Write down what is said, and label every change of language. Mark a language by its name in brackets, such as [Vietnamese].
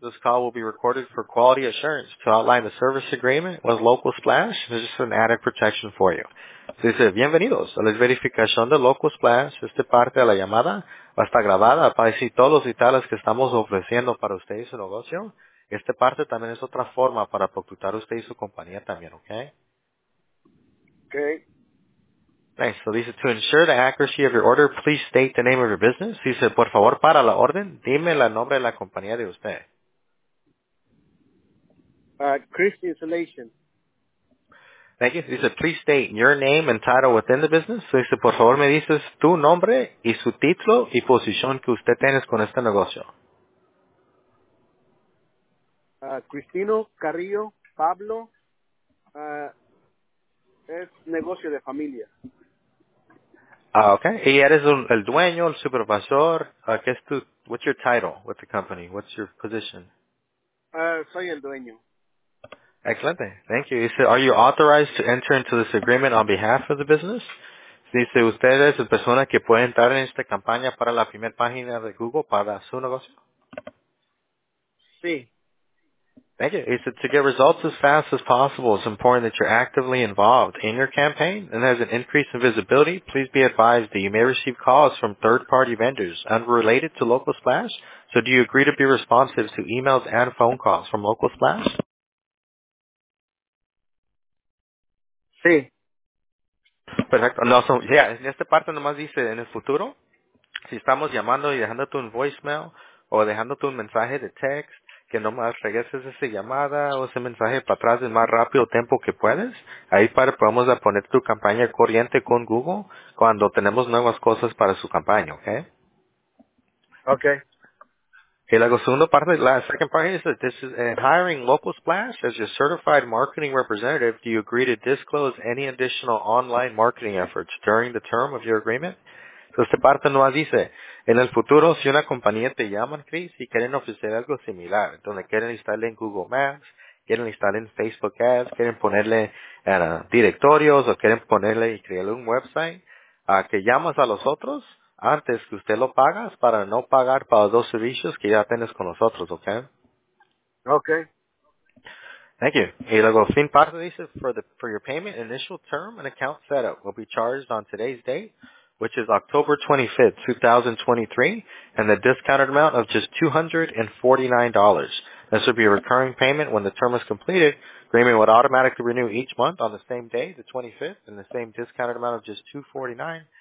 [English] This call will be recorded for quality assurance. To outline the service agreement with Local Splash, there's just an added protection for you. [Spanish] Se dice, bienvenidos a la verificación de Local Splash. Esta parte de la llamada va a estar grabada para decir todos los detalles que estamos ofreciendo para usted y su negocio. Esta parte también es otra forma para propulsar usted y su compañía también, ¿ok? Ok. [English] Nice. So [Spanish] dice, [English] to ensure the accuracy of your order, please state the name of your business. [Spanish] Se dice, por favor, para la orden, dime el nombre de la compañía de usted. [English] Chris Insulation. Thank you. [Spanish] Dice, [English] please state your name and title within the business. [Spanish] So dice, por favor, me dices tu nombre y su título y posición que usted tienes con este negocio. Cristino Carrillo Pablo, es negocio de familia. Okay. Y eres el dueño, el supervisor. ¿Qué es tu, [English] what's your title with the company? What's your position? [Spanish] Soy el dueño. Excelente. [English] Thank you. He said, are you authorized to enter into this agreement on behalf of the business? [Spanish] Dice, ¿usted es la persona que puede entrar en esta campaña para la primera página de Google para su negocio? Sí. [English] Thank you. He said, to get results as fast as possible, it's important that you're actively involved in your campaign. And as an increase in visibility, please be advised that you may receive calls from third-party vendors unrelated to Local Splash. So do you agree to be responsive to emails and phone calls from Local Splash? [Spanish] Sí. Perfecto. No, [English] so, yeah, [Spanish] en esta parte nomás dice, en el futuro, si estamos llamando y dejándote un voicemail o dejándote un mensaje de text, que nomás regreses esa llamada o ese mensaje para atrás el más rápido tiempo que puedes, ahí para podemos poner tu campaña corriente con Google cuando tenemos nuevas cosas para su campaña, ¿ok? Ok. Y la segunda parte, la [English] second part is that this is hiring Local Splash as your certified marketing representative. Do you agree to disclose any additional online marketing efforts during the term of your agreement? [Spanish] So esta parte nos dice, en el futuro, si una compañía te llama, Chris, y quieren ofrecer algo similar, donde quieren instalarle en Google Maps, quieren instalarle en Facebook Ads, quieren ponerle directorios o quieren ponerle y crearle un website, que llamas a los otros, antes que usted lo pagas para no pagar para los dos servicios que ya tienes con nosotros, ¿ok? Ok. [English] Thank you. [Spanish] Y luego, fin parte dice, [English] for your payment, initial term and account setup will be charged on today's date, which is October 25th, 2023, and the discounted amount of just $249. This will be a recurring payment when the term is completed. Agreement would automatically renew each month on the same day, the 25th, and the same discounted amount of just $249.